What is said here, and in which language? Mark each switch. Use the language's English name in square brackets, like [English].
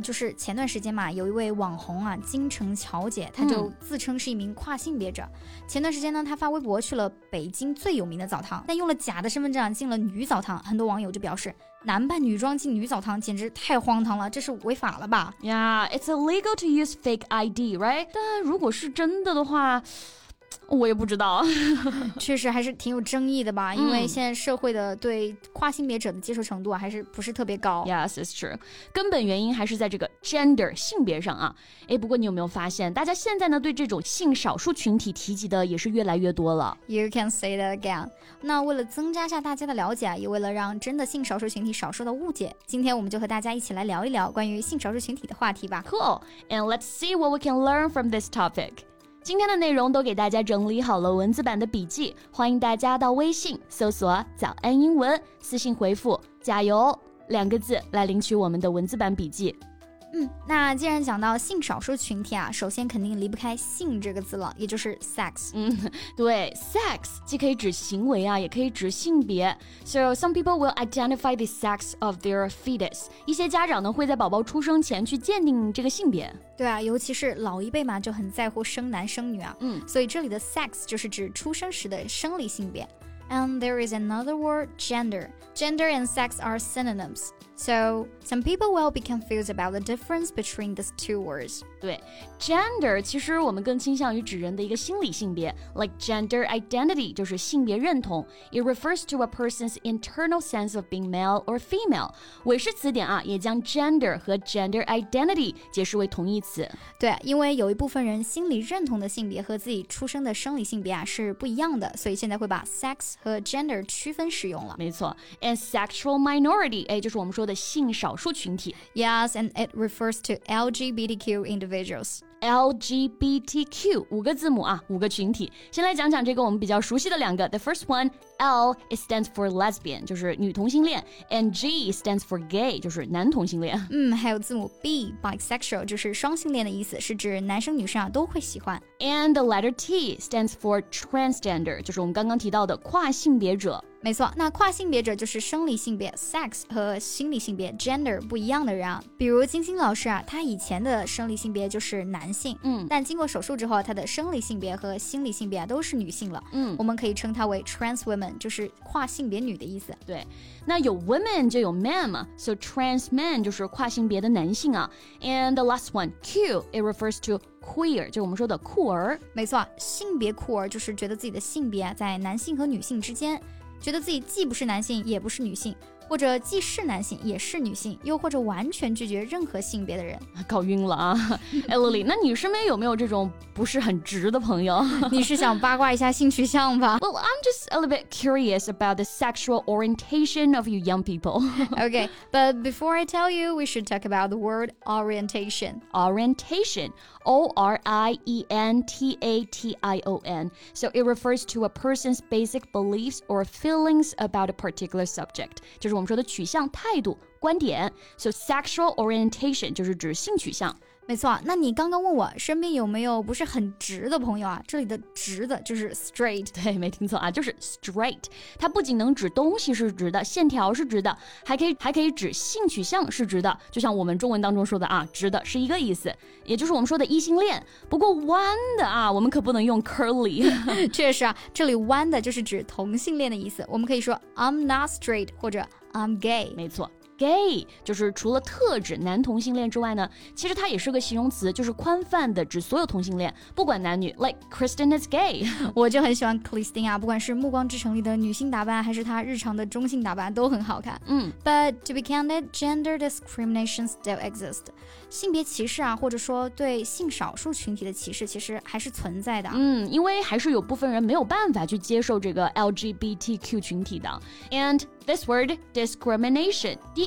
[Chinese] 就是前段时间嘛，有一位网红啊，金城乔姐，她就自称是一名跨性别者。前段时间呢，她发微博去了北京最有名的澡堂，但用了假的身份证进了女澡堂。很多网友就表示，男扮女装进女澡堂简直太荒唐了，这是违法了吧 [English] ？Yeah, it's illegal to use fake ID, right? [Chinese] 但如果是真的的话。我也不知道确实还是挺有争议的吧因为现在社会的对跨性别者的接受程度还是不是特别高 [English] Yes, it's true [Chinese] 根本原因还是在这个 gender 性别上啊哎，不过你有没有发现大家现在呢对这种性少数群体提及的也是越来越多了 [English] You can say that again [Chinese] 那为了增加下大家的了解也为了让真的性少数群体少受到误解今天我们就和大家一起来聊一聊关于性少数群体的话题吧 [English] Cool, and let's see what we can learn from this topic [Chinese] 今天的内容都给大家整理好了文字版的笔记，欢迎大家到微信搜索“早安英文”，私信回复“加油”两个字来领取我们的文字版笔记。那既然讲到性少数群体啊，首先肯定离不开“性”这个字了，也就是 sex。对 ，sex 既可以指行为啊，也可以指性别。 [English] So some people will identify the sex of their fetus。 [Chinese] 一些家长呢会在宝宝出生前去鉴定这个性别。对啊，尤其是老一辈嘛，就很在乎生男生女啊。所以这里的 sex 就是指出生时的生理性别。 [English] And there is another word, gender. Gender and sex are synonyms. So, some people will be confused about the difference between these two words. [Chinese] 对 ,gender 其实我们更倾向于指人的一个心理性别 [English] like gender identity [Chinese] 就是性别认同 [English] It refers to a person's internal sense of being male or female. [Chinese] 韦氏词典啊也将 gender 和 gender identity 解释为同义词。对因为有一部分人心理认同的性别和自己出生的生理性别啊是不一样的所以现在会把 sex和 gender 区分使用了没错 and sexual minority 就是我们说的性少数群体 [English] Yes, and it refers to LGBTQ individuals [Chinese] LGBTQ 五个字母啊五个群体先来讲讲这个我们比较熟悉的两个 [English] The first one L it stands for lesbian [Chinese] 就是女同性恋 [English] and G stands for gay [Chinese] 就是男同性恋还有字母 B bisexual 就是双性恋的意思是指男生女生啊都会喜欢 [English] and the letter T stands for transgender [Chinese] 就是我们刚刚提到的跨性别者没错那跨性别者就是生理性别 sex 和心理性别 gender 不一样的人啊比如金星老师啊他以前的生理性别就是男性但经过手术之后他的生理性别和心理性别都是女性了我们可以称他为 trans women 就是跨性别女的意思对那有 women 就有 man 嘛 so trans man 就是跨性别的男性啊 [English] and the last one Q it refers toQueer, [Chinese] 就我们说的酷儿。没错，性别酷儿就是觉得自己的性别在男性和女性之间，觉得自己既不是男性也不是女性，或者既是男性也是女性，又或者完全拒绝任何性别的人。搞晕了啊哎 Lily, 那你身边有没有这种不是很直的朋友你是想八卦一下性取向吧 [English] Well, I'm just a little bit curious about the sexual orientation of you young people. Okay, but before I tell you, we should talk about the word orientation. Orientation. O-R-I-E-N-T-A-T-I-O-N. So it refers to a person's basic beliefs or feelings about a particular subject. [Chinese] 就是我们说的取向、态度、观点。So sexual orientation 就是指性取向。没错，那你刚刚问我身边有没有不是很直的朋友啊？这里的直的就是 straight。对，没听错啊，就是 straight。它不仅能指东西是直的，线条是直的，还可以指性取向是直的。就像我们中文当中说的啊，直的是一个意思，也就是我们说的异性恋。不过弯的啊，我们可不能用 curly。确实啊，这里弯的就是指同性恋的意思。我们可以说 [English] I'm not straight [Chinese] 或者 [English] I'm gay。 [Chinese] 没错。 gay 就是除了特指男同性恋之外呢，其实它也是个形容词，就是宽泛的指所有同性恋，不管男女。 [English] Like Kristen is gay， [Chinese] 我就很喜欢 Kristen 啊，不管是《暮光之城》里的女性打扮，还是她日常的中性打扮，都很好看。 [English] But to be candid, gender discrimination still exists. [Chinese] 性别歧视啊，或者说对性少数群体的歧视，其实还是存在的。因为还是有部分人没有办法去接受这个 LGBTQ 群体的。 [English] And this word discrimination.